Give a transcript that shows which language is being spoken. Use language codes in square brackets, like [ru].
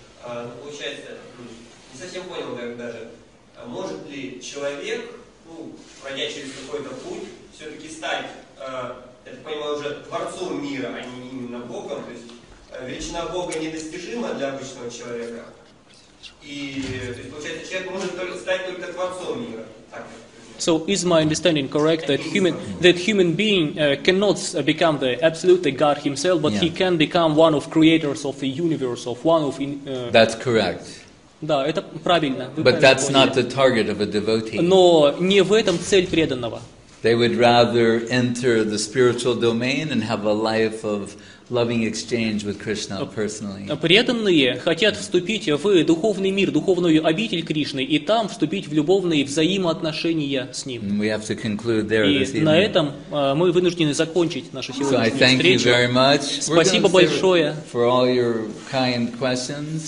[ru] Получается, не совсем понял даже, может ли человек, ну, пройдя через какой-то путь, все-таки стать, я понимаю, уже творцом мира, а не именно Богом, то есть величина Бога недостижима для обычного человека. И, то есть, получается, человек может стать только творцом мира. Так. [en] So is my understanding correct that human being cannot become the absolute God himself, but he can become one of creators of the universe, of one of... That's correct. [ru] Да, это правильно. [en] But that's not the target of a devotee. [ru] Но не в этом цель преданного. [en] They would rather enter the spiritual domain and have a life of loving exchange with Krishna personally. [ru] Преданные хотят вступить в духовный мир, духовную обитель Кришны, и там вступить в любовные взаимоотношения с Ним. [en] We have to conclude there this evening. [ru] И на этом мы вынуждены закончить нашу сегодняшнюю встречу. [en] So I thank you very much. [ru] Спасибо большое. [en] For all your kind questions.